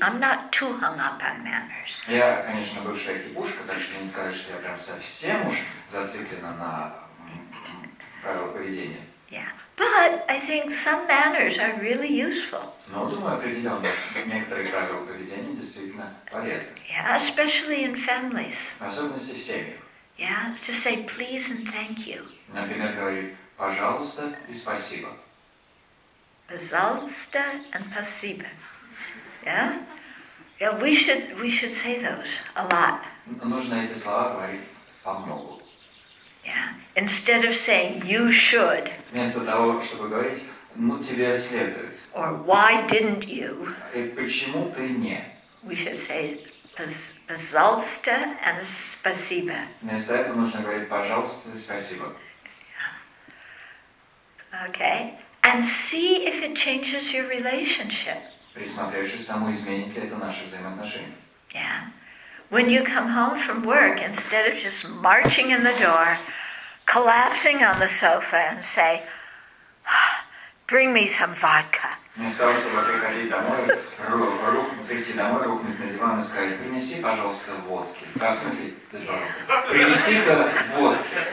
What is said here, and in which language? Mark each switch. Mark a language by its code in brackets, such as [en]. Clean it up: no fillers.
[en] I'm not too hung up on manners. [ru] Я, конечно, бывшая хиппушка, так что я не скажу, что я прям совсем уж зациклена на правилах поведения. [en] Yeah. But I think some manners are really useful. [ru] Но думаю, определенно, некоторые правила поведения действительно полезны. [en] Yeah, especially in families. [ru] В особенности в семьях. [en] Yeah, to say please and thank you. [ru] Например, говорить пожалуйста и спасибо. Пожалуйста [en] and [ru] спасибо. [en] Yeah? Yeah, we should say those a lot. [ru] Нужно эти слова говорить по-многу. [en] Yeah. Instead of saying you should. [ru] Вместо того, чтобы говорить, ну тебе следует. [en] Or why didn't you? [ru] И почему ты не? [en] We should say [ru] пожалуйста [en] and [ru] спасибо. Вместо этого нужно говорить пожалуйста и спасибо. [en] Okay, and see if it changes your relationship. [ru] Присмотревшись к тому, изменит ли это наши взаимоотношения? [en] Yeah. When you come home from work, instead of just marching in the door, collapsing on the sofa and say, bring me some vodka. [ru] Вместо того, чтобы приходить домой, прийти домой, рухнуть на диван и сказать, принеси, пожалуйста, водки. В смысле, пожалуйста, принеси-ка водки.